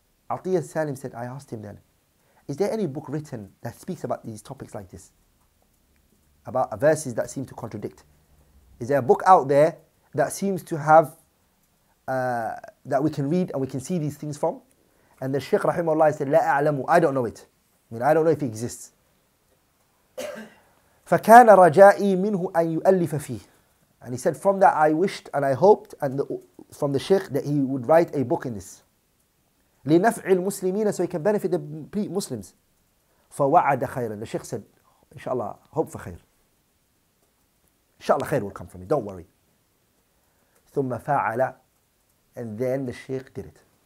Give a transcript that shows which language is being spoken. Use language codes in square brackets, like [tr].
[en] Atiyah Salim said, I asked him then, is there any book written that speaks about these topics like this? About verses that seem to contradict. Is there a book out there that seems to have, that we can read and we can see these things from? And the Shaykh rahimahullah said, [ar] لا أعلمه. [en] I don't know it. I mean, I don't know if it exists. [ar] فكان رجائي منه أن يؤلف فيه. [en] And he said, from that I wished and I hoped and from the Shaykh that he would write a book in this. [ar] لنفع المسلمين, [en] so he can benefit the Muslims. [ar] فوعد خيرا. [en] The Shaykh said, inshallah, hope for khair. inshallah khair will come from it, don't worry. [ar] ثم فعل, [en] and then the sheikh did it.